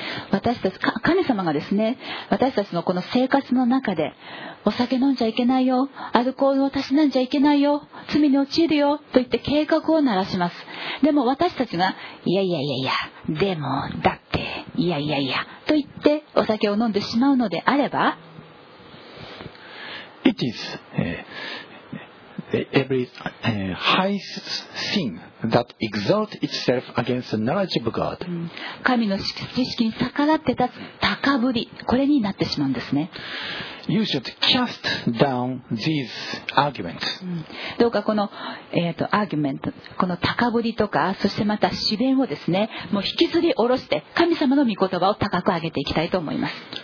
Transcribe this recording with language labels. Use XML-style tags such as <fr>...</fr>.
<ja>私たち神様がですね、私たちのこの生活の中でお酒飲んじゃいけないよ、アルコールをたしなんじゃいけないよ、罪に陥るよと言って警告を鳴らします。でも私たちがいやいやいやいや、でもだっていやいやいやと言ってお酒を飲んでしまうのであれば、 It is every high thing that exalts itself against the knowledge of God. 神の知識に逆らって立つ高ぶり、これになってしまうんですね。</ja> <en>You should cast down these arguments.</en> <ja>どうかこの、アーギュメント、この高ぶりとか、そしてまた詩弁をですね、もう引きずり下ろして、神様の御言葉を高く上げていきたいと思います。</ja>